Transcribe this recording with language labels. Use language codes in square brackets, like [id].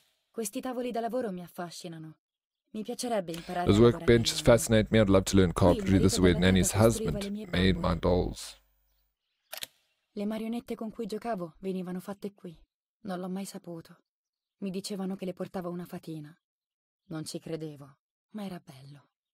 [it] Questi tavoli da lavoro mi affascinano. Mi piacerebbe imparare. [en] Those workbenches fascinate me. I'd love to learn carpentry. This is where Nanny's husband made my dolls. [it] Le marionette con cui giocavo venivano fatte qui. Non l'ho mai saputo. Mi dicevano che le portava una fatina. Non ci credevo, ma era bello.